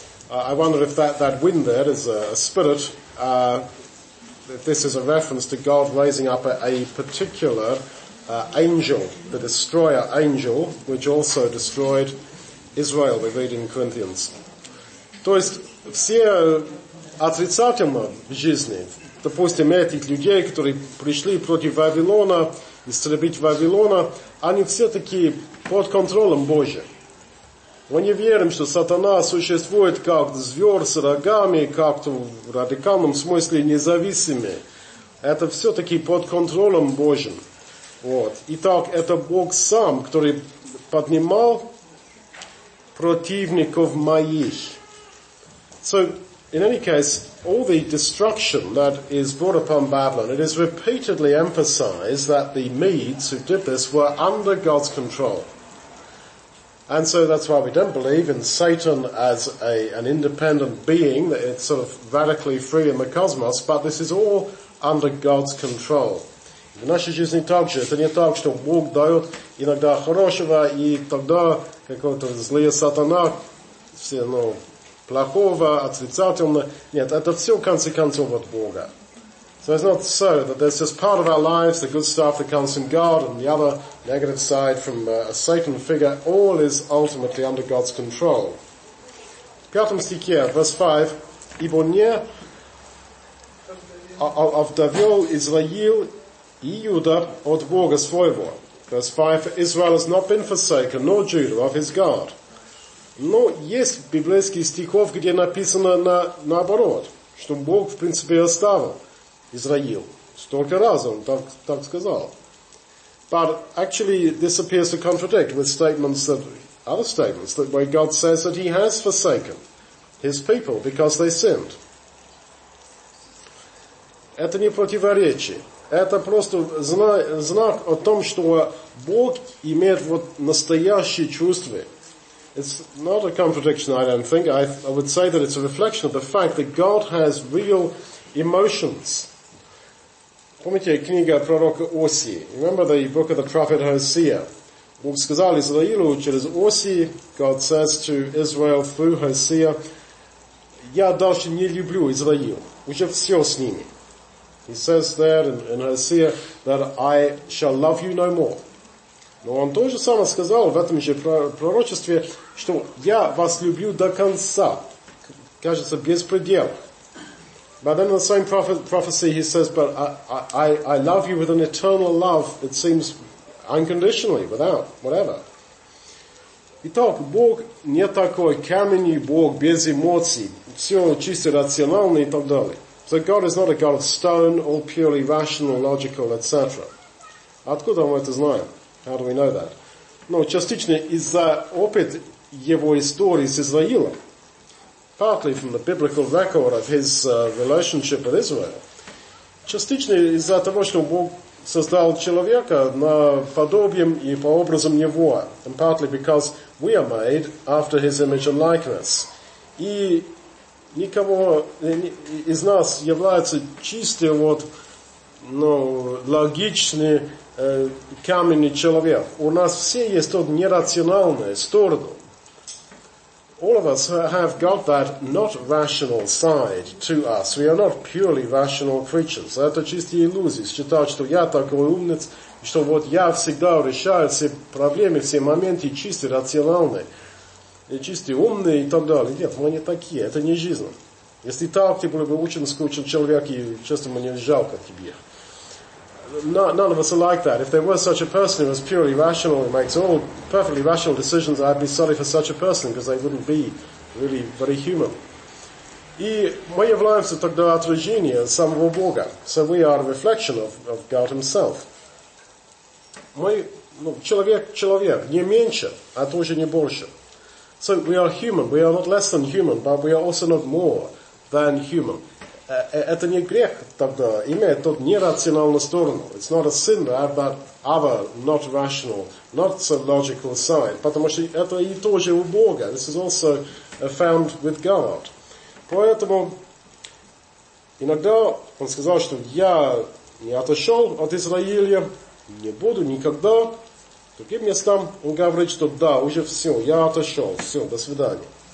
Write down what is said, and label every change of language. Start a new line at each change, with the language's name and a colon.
English: I wonder if that wind there is a spirit, if this is a reference to God raising up a particular angel, the destroyer angel, which also destroyed Israel, we read in Corinthians.
Russian: То есть все отрицательно в жизни, допустим, этих людей, которые пришли против Вавилона, истребить Вавилона, они все-таки под контролем Божьим. Мы не верим, что сатана существует как зверь с рогами, как-то в радикальном смысле независимый. Это все-таки под контролем Божьим. Вот. Итак, это Бог сам, который поднимал противников моих.
English: So, in any case, all the destruction that is brought upon Babylon, it is repeatedly emphasized that the Medes who did this were under God's control. And so that's why we don't believe in Satan as an independent being, that it's sort of radically free in the cosmos, but this is all under God's control.
Russian: В нашей жизни также это не так, что Бог дает иногда хорошего, и тогда какого-то злые сатана, все, плохого, отрицательного. Нет, это все в конце концов от Бога.
English: So it's not so that there's just part of our lives, the good stuff that comes from God, and the other negative side from a Satan figure. All is ultimately under God's control.
Russian: В пятом стихе,
English: verse 5,
Russian: «Ибо не овдовел Израиль и Иуда от Бога своего».
English: Verse 5, «For Israel has not been forsaken, nor Judah of his God».
Russian: Но есть библейские стихов, где написано наоборот, что Бог, в принципе, оставил Израил. Столько раз он так сказал.
English: But actually this appears to contradict with other statements that where God says that he has forsaken his people because they sinned.
Russian: Это не противоречие. Это просто знак о том, что Бог имеет вот настоящие чувства.
English: It's not a contradiction, I don't think. I would say that it's a reflection of the fact that God has real emotions.
Russian: Помните книга пророка Осии?
English: Remember the book of the prophet Hosea?
Russian: Бог сказал Израилю через Осии,
English: God says to Israel through Hosea,
Russian: я дальше не люблю Израиль, уже все с ними.
English: He says there in Hosea that I shall love you no more.
Russian: Но он тоже самое сказал в этом же пророчестве, что я вас люблю до конца, кажется, без предела.
English: But then in the same prophecy he says, but I love you with an eternal love, it seems, unconditionally, without, whatever.
Russian: Итак, Бог не такой камень, Бог без эмоций. Все чисто рационально и так далее.
English: So God is not a God of stone, all purely rational, logical, etc.
Russian: Откуда мы это знаем?
English: How do we know that?
Russian: Ну, частично из-за опыта его истории с Израилем.
English: Partly from the biblical record of his relationship with Israel.
Russian: Частично из-за того, что Бог создал человека на подобием и по образом Его.
English: And partly because we are made after His image and likeness.
Russian: И никого из нас является чистый, вот, ну, логичный каменный человек. У нас все есть тот нерациональный сторону.
English: All of us have got that not rational side to us. We are not purely rational creatures.
Russian: Это чистые иллюзии. Считать, что я такой умниц, что вот я всегда решаю все проблемы, все моменты чистые, рациональные. И чистые, умные и так далее. Нет, мы не такие. Это не жизнь. Если так, ты был бы очень скучен человек, и честно, мне жалко тебе.
English: None of us are like that. If there were such a person who was purely rational and makes all perfectly rational decisions, I'd be sorry for such a person because they wouldn't be really very human.
Russian: И мы являемся тогда отражением самого Бога.
English: So we are a reflection of God himself.
Russian: Мы, ну, человек, не меньше, а тоже не больше.
English: So we are human. We are not less than human, but we are also not more than human.
Russian: Это не грех тогда, имеет тот нерациональную сторону.
English: It's not a sin, but other, not rational, not so logical side.
Russian: Потому что это и тоже у Бога.
English: This is also found with God.
Russian: Поэтому иногда он сказал, что я не отошел от Израиля, не буду никогда. Другим местам он говорит, что да, уже все, я отошел, все, до свидания.